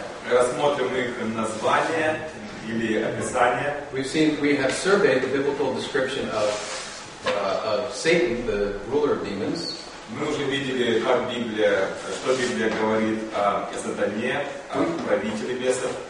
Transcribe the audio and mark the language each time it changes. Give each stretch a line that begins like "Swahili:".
Russian: рассмотрим их название или описание.
English: We've seen, we have surveyed the biblical description of Satan, the ruler of demons.
Russian: Мы уже видели, как Библия, что Библия говорит о сатане, о правителе бесов.